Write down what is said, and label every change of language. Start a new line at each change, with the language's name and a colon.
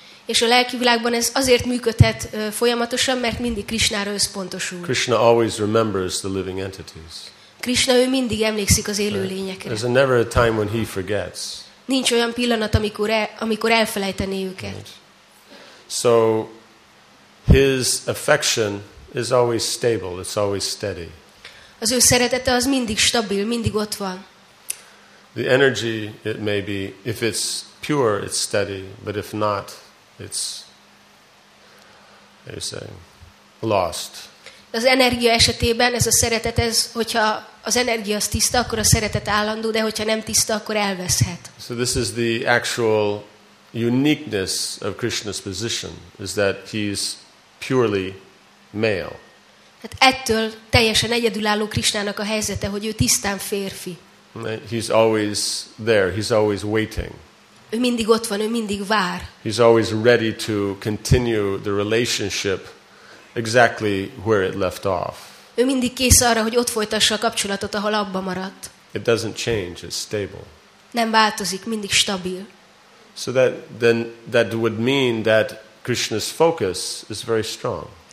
Hungarian: És a lelki világban ez azért működhet folyamatosan, mert mindig Krishnára összpontosul.
English: Krishna always remembers the living entities.
Hungarian: Krishna, ő mindig emlékszik az élő lényekre.
English: There's never a time when he forgets.
Hungarian: Nincs olyan pillanat, amikor elfelejteni őket.
English: Right. So his affection is always stable, it's always steady.
Hungarian: Az ő szeretete az mindig stabil, mindig ott van.
English: The energy, it may be, if it's pure, it's steady, but if not, it's, how do you say, lost.
Hungarian: Az energia esetében ez a szeretet, ez, hogyha az energia az tiszta, akkor a szeretet állandó, de hogyha nem tiszta, akkor elveszhet.
English: So this is the actual uniqueness of Krishna's position, is that he's purely male.
Hungarian: Hát ettől teljesen egyedülálló Krishnának a helyzete, hogy ő tisztán férfi.
English: He's always there, he's always waiting.
Hungarian: Ő mindig ott van, ő mindig vár.
English: He's always ready to continue the relationship exactly where it left off.
Hungarian: Ő mindig kész arra, hogy ott folytassa a kapcsolatot, ahol abba maradt.
English: It doesn't change, it's stable.
Hungarian: Nem változik, mindig stabil.
English: So that would mean that Krishna's focus is very strong.